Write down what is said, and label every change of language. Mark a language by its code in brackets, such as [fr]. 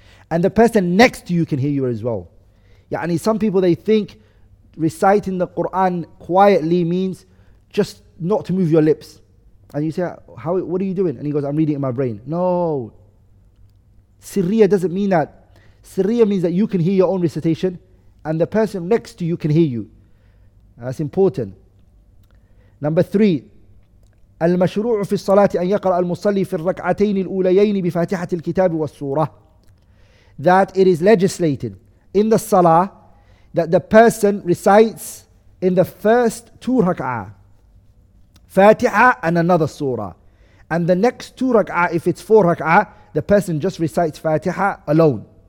[en] And the person next to you can hear you as well. يعني some people, they think reciting the Quran quietly means just not to move your lips. And you say, what are you doing? And he goes, I'm reading in my brain. No. Sirriya doesn't mean that. Sirriya means that you can hear your own recitation and the person next to you can hear you. That's important. Number three, [ar] المشروع في الصلاة أن يقرأ المصلي في الركعتين الأوليين بفاتحة الكتاب والسورة. [en] That it is legislated in the salah that the person recites in the first two rak'ah, Fatiha and another surah. And the next two rak'ah, if it's four rak'ah, the person just recites Fatiha alone.